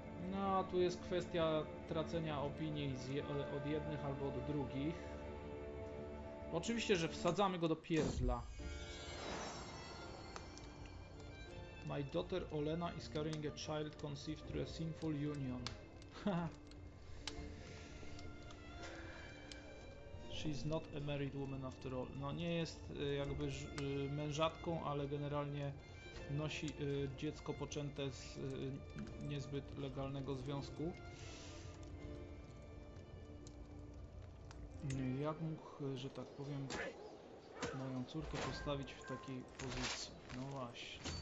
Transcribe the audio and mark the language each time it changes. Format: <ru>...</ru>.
<pl>No, tu jest kwestia tracenia opinii od jednych albo od drugich. Oczywiście, że wsadzamy go do pierdla.</pl> <en>My daughter Olena is carrying a child conceived through a sinful union. She's not a married woman after all.</en> <pl>No, nie jest jakby mężatką, ale generalnie nosi dziecko poczęte z niezbyt legalnego związku. Jak mógł, że tak powiem, moją córkę postawić w takiej pozycji? No właśnie.</pl>